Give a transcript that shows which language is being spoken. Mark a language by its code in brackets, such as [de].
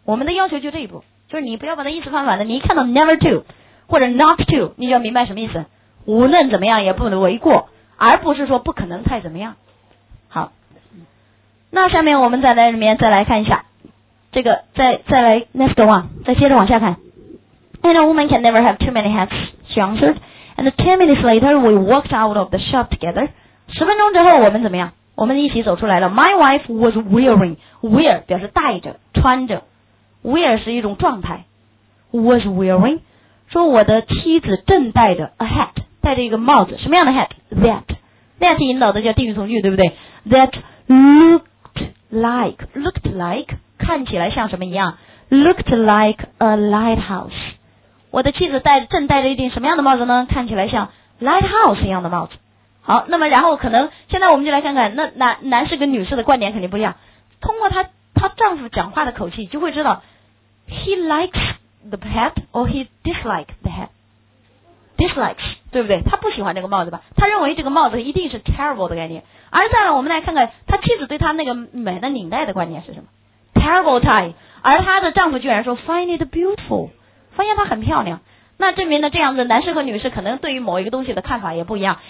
[zh] 我们的要求就这一步，就是你不要把它意思翻反了。你一看到 never to 或者 not to， 你就要明白什么意思，无论怎么样也不能为过，而不是说不可能太怎么样。好，那下面我们再来里面再来看一下这个，再来 [en] next one， [zh] 再接着往下看。 [en] And a woman can never have too many hats， she answered。 And 10 minutes later, we walked out of the shop together. [zh] 10分钟之后我们怎么样？我们一起走出来了。 [en] My wife was wearing, [zh] wear 表示戴着、穿着。 Wear 是一种状态。 [en] Was wearing, [zh] 说我的妻子正戴着 [en] a hat, [zh] 戴着一个帽子。什么样的 hat? [en] That. [zh] That 引导的叫定语从句，对不对？ [en] That looked like, [zh] 看起来像什么一样。 [en] Looked like a lighthouse. [zh] 我的妻子正戴着一顶什么样的帽子呢？看起来像 lighthouse 一样的帽子。好，那么然后可能现在我们就来看看，那男士跟女士的观点肯定不一样。通过她丈夫讲话的口气，就会知道 [en] he likes the hat [zh] or he dislikes the hat。 dislikes 对不对？他不喜欢这个帽子吧？他认为这个帽子一定是 terrible 的概念。而再来，我们来看看他妻子对他那个美的领带的观点是什么 ？terrible tie。而他的丈夫居然说 [en] find it beautiful。 [zh] 发现她很漂亮，那证明呢，这样子男士和女士可能对于某一个东西的看法也不一样。